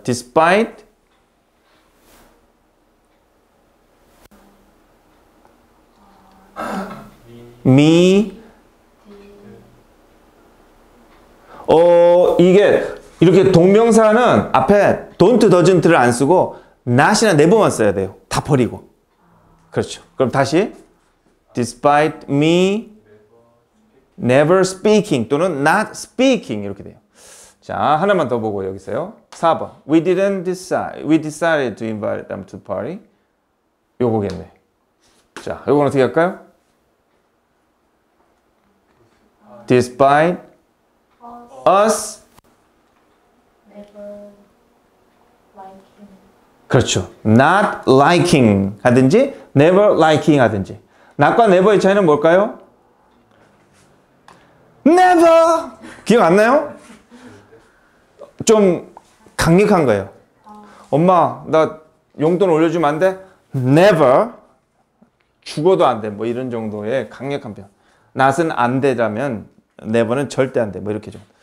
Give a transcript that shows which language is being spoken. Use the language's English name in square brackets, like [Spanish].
[English] Despite me, [Korean] 이게 이렇게 동명사는 앞에 don't, doesn't를 안 쓰고 not이나 never만 써야 돼요. 다 버리고. 그렇죠. 그럼 다시 [English] despite me never speaking [Korean] 또는 [English] not speaking [Korean] 이렇게 돼요. 자, 하나만 더 보고 여기서요. 4번. [English] We didn't decide. We decided to invite them to the party. [Korean] 요거겠네. 자, 요거는 어떻게 할까요? [English] Despite us never liking. [Korean] 그렇죠. [English] Not liking [Korean] 하든지 [English] never liking [Korean] 하든지. Not과 never의 차이는 뭘까요? Never! 기억 안 나요? 좀 강력한 거예요. 엄마, 나 용돈 올려주면 안 돼? [English] Never. [Korean] 죽어도 안 돼. 뭐 이런 정도의 강력한 표현. Not은 안 되라면 Never는 절대 안 돼. 뭐 이렇게 좀.